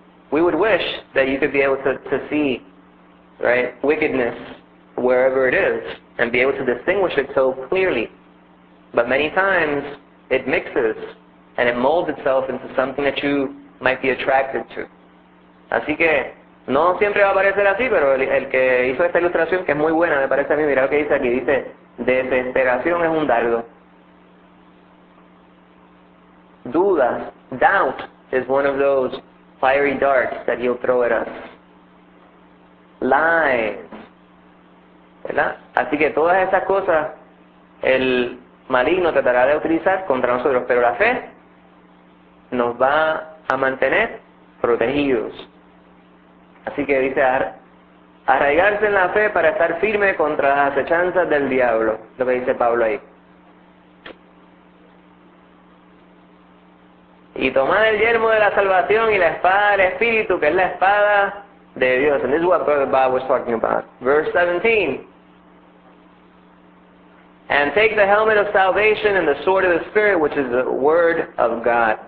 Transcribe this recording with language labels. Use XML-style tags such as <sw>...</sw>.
<en>We would wish that you could be able to see, right, wickedness wherever it is and be able to distinguish it so clearly. But many times it mixes and it molds itself into something that you might be attracted to.</en> <es>Así que No siempre va a parecer así, pero el que hizo esta ilustración, que es muy buena, me parece a mí, mira lo que dice aquí, dice, desesperación es un dardo.</es> <en>Dudas, doubt, is one of those fiery darts that he'll throw at us. Lies, ¿verdad?</en> <es>Así que todas esas cosas el maligno tratará de utilizar contra nosotros, pero la fe nos va a mantener protegidos. Así que dice, arraigarse en la fe para estar firme contra las acechanzas del diablo, lo que dice Pablo ahí. Y tomar el yelmo de la salvación y la espada del Espíritu, que es la espada de Dios.</es> <en>And this is what Brother Bob was talking about. Verse 17. And take the helmet of salvation and the sword of the Spirit, which is the word of God.</en>